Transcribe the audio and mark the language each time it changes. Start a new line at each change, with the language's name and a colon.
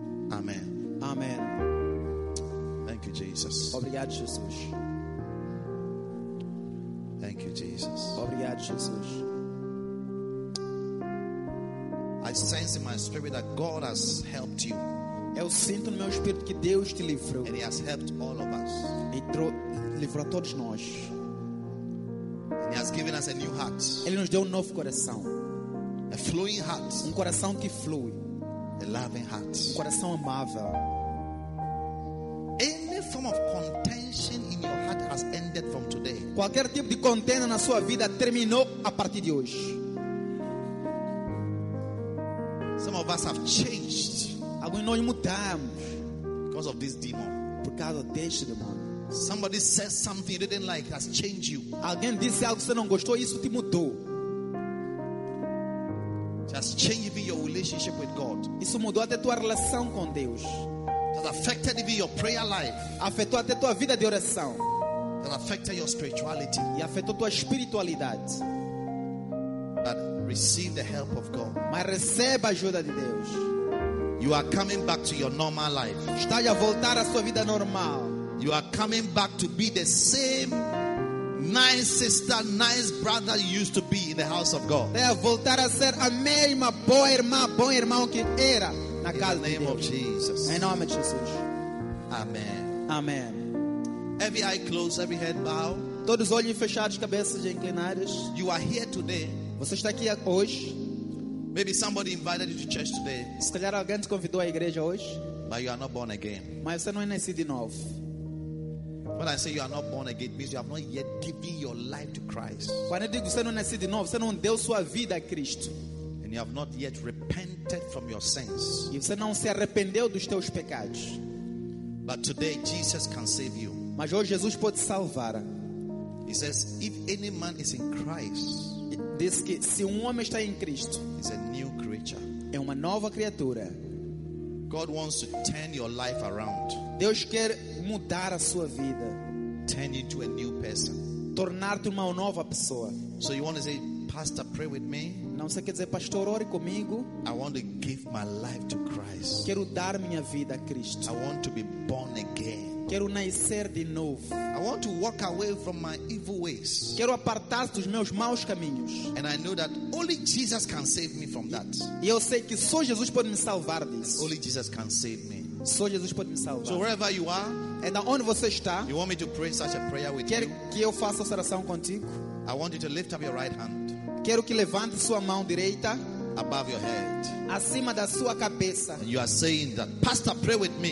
English: Amen. Amen. Thank you, Jesus.
Portuguese: Obrigado, Jesus.
English: Thank you, Jesus.
Portuguese: Obrigado, Jesus.
English: I sense in my spirit that God has helped you.
Portuguese: Eu sinto no meu espírito que Deus te livrou.
English: And He has helped all of us.
Portuguese: Livrou todos nós.
English: And He has given us a new heart.
Portuguese: Ele nos deu novo coração.
English: A flowing heart.
Portuguese: Coração que flui.
English: A loving heart.
Portuguese: Coração amável.
English: Any form of contention in your heart has ended from today.
Portuguese: Qualquer tipo de contenda na sua vida terminou a partir de hoje.
English: Some of us have changed.
Portuguese: Alguns nós mudamos.
English: Because of this demon.
Portuguese: Por causa deste demônio.
English: Somebody says something you didn't like has changed you.
Portuguese: Alguém disse algo que você não gostou e isso te mudou.
English: Has changed your relationship with God.
Portuguese: Isso mudou até tua relação com Deus.
English: Has affected even your prayer life.
Portuguese: Afetou até tua vida de oração.
English: Has affected your spirituality.
Portuguese: E afetou tua espiritualidade.
English: But receive the help of God.
Portuguese: Mas receba a ajuda de Deus.
English: You are coming back to your normal life.
Portuguese: Está a voltar à sua vida normal.
English: You are coming back to be the same nice sister, nice brother you used to be in the house of God.
Portuguese: É voltar a ser a mesma boa irmã, bom irmão que era na casa de Deus.
English: In the name of Jesus.
Portuguese: Em nome de Jesus.
English: Amen. Amen. Every eye closed, every head bowed.
Portuguese: Todos olhos fechados, cabeças inclinadas.
English: You are here today.
Portuguese: Você está aqui hoje.
English: Maybe somebody invited you to church today.
Portuguese: Se calhar alguém te convidou à igreja hoje.
English: But you are not born again.
Portuguese: Mas você não é nascido de novo.
English: When I say you are not born again, it means you have not yet given your life to Christ.
Portuguese: Quando eu digo você não nasceu de novo, você não deu sua vida a Cristo.
English: And you have not yet repented from your sins.
Portuguese: E você não se arrependeu dos teus pecados.
English: But today Jesus can save you.
Portuguese: Mas hoje Jesus pode te salvar.
English: He says, if any man is in Christ,
Portuguese: diz que se homem está em Cristo,
English: is a new creature.
Portuguese: É uma nova criatura.
English: God wants to turn your life around.
Portuguese: Deus quer mudar a sua vida.
English: Turn into a new person.
Portuguese: Tornar-te uma nova pessoa.
English: So you want to say, Pastor, pray with me?
Portuguese: Não, você quer dizer, Pastor, ore comigo?
English: I want to give my life to Christ.
Portuguese: Quero dar minha vida a Cristo.
English: I want to be born again.
Portuguese: Quero nascer de novo.
English: I want to walk away from my evil ways.
Portuguese: Quero apartar-me dos meus maus caminhos.
English: And I know that only Jesus can save me from that.
Portuguese: E eu sei que só Jesus pode me salvar disso.
English: Only Jesus can save me.
Portuguese: Só Jesus pode me salvar.
English: So wherever you are,
Portuguese: and onde você está,
English: you want me to pray such a prayer with you?
Portuguese: Que eu faça essa oração contigo?
English: I want you to lift up your right hand.
Portuguese: Quero que levante sua mão direita.
English: Above your head.
Portuguese: Acima da sua cabeça.
English: And you are saying that, Pastor, pray with me.